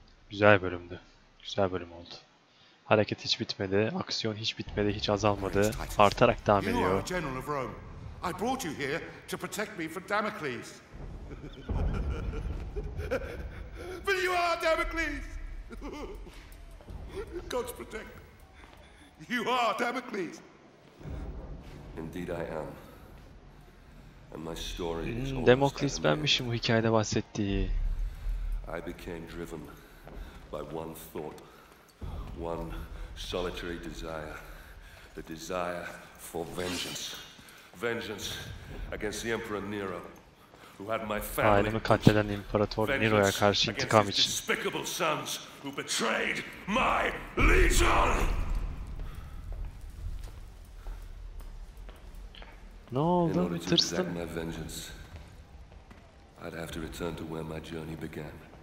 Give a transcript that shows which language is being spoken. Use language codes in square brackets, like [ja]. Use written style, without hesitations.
[tr] Güzel bölümdü. Güzel bölüm oldu. Hareket hiç bitmedi, aksiyon hiç bitmedi, hiç azalmadı. Artarak devam ediyor. [en] You are a general of Rome. I brought you here to protect me from Damocles. But you are Damocles. God's protect. You are Damocles. Indeed I am. And my story is [tr] Damocles benmişim bu hikayede bahsettiği. [en] I became driven by one thought, one solitary desire, the desire for vengeance. Vengeance against the Emperor Nero, who had my family. [tr] Ailemi katleden İmparator Nero'ya karşı intikam için. [en] Despicable sons who betrayed my legion. No, don't be thirsty. In order to exact my vengeance, I'd have to return to where my journey began.